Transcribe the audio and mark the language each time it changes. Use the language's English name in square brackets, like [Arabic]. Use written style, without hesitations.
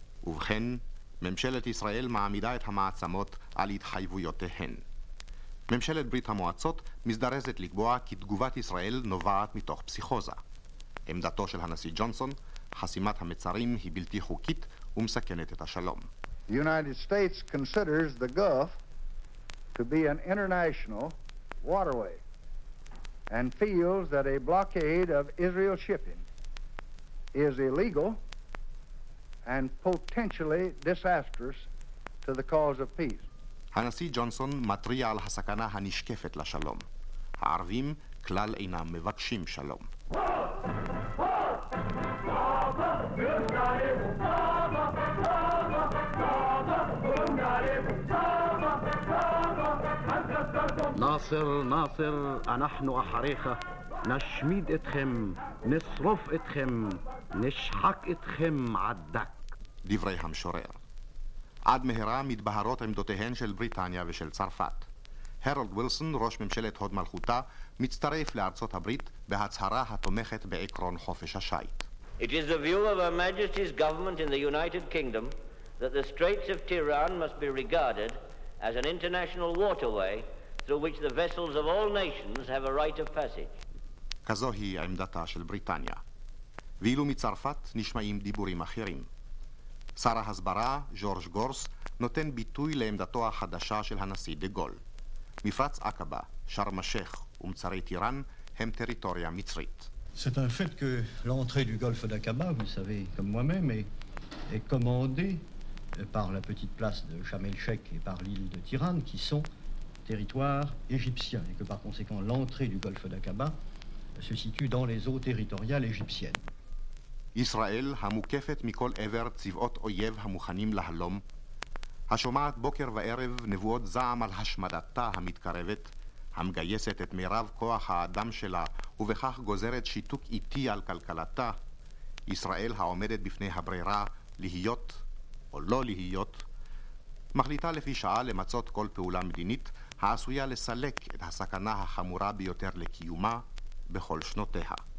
[Hebrew] ובכן, ממשלת ישראל מעמידה את המעצמות על התחייבויותיהן. ממשלת ברית המועצות מזדרזת לקבוע כי תגובת ישראל נובעת מתוך פסיכוזה. עמדתו של הנשיא ג'ונסון, חסימת המצרים היא בלתי חוקית ומסכנת את השלום. [English] The United States considers the Gulf to be an international waterway and feels that a blockade of Israel shipping is illegal and potentially disastrous to the cause of peace. [Hebrew] הנשיא ג'ונסון מתריע על הסכנה הנשקפת לשלום. הערבים כלל אינם מבקשים שלום. נאסר, נאסר, אנחנו אחריך. נשמיד אתכם, נשרוף אתכם, נשחק אתכם עד דק. דברי המשורר. עד מהרה מתבהרות עמדותיהן של בריטניה ושל צרפת. הרולד וילסון, ראש ממשלת הוד מלכותה, מצטרף לארצות הברית בהצהרה התומכת בעקרון חופש השייט. [English] It is the view of Her Majesty's government in the United Kingdom that the Straits of Tehran must be regarded as an international waterway through which the vessels of all nations have a right of passage. [Hebrew] כזו היא עמדתה של בריטניה. ואילו מצרפת נשמעים דיבורים אחרים. שר ההסברה, ג'ורג' גורס, נותן ביטוי לעמדתו החדשה של הנשיא דגול. מפרץ עקבה, שארם א-שייח ומצרי טיראן הם טריטוריה מצרית. [French] C'est un fait que l'entrée du golfe d'Aqaba, vous savez, comme moi-même, est commandée par la petite place de Sharm el-Sheikh et par l'île de Tiran, qui sont territoires égyptiens, et que par conséquent, l'entrée du golfe d'Aqaba se situe dans les eaux territoriales égyptiennes. [Hebrew] ישראל המוקפת מכל עבר צבאות אויב המוכנים להלום, השומעת בוקר וערב נבואות זעם על השמדתה המתקרבת, המגייסת את מירב כוח האדם שלה ובכך גוזרת שיתוק איטי על כלכלתה, ישראל העומדת בפני הברירה להיות או לא להיות, מחליטה לפי שעה למצות כל פעולה מדינית העשויה לסלק את הסכנה החמורה ביותר לקיומה בכל שנותיה.